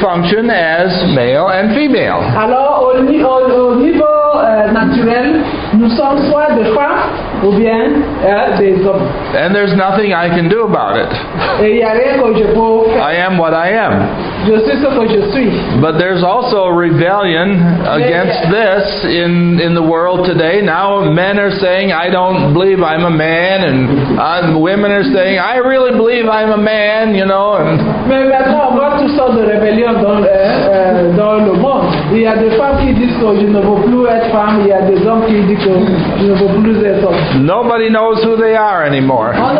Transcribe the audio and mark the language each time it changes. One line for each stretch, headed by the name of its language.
English: function as male and female.
French: Alors, au niveau naturel, nous sommes soit des femmes ou bien des hommes.
English: And there's nothing I can do about it.
French: Et y a rien que je peux faire.
English: I am what I am.
French: Je suis ce que je suis.
English: But there's also rebellion against this in the world today. Now men are saying, I don't believe I'm a man, and women are saying, I really believe I'm a man, you know.
French: Mais maintenant, on voit toutes sortes de rébellions dans le monde. Il y a des femmes qui disent que je ne veux plus être femme. Il y a des hommes qui disent que je ne veux plus être homme.
English: Nobody knows who they are anymore.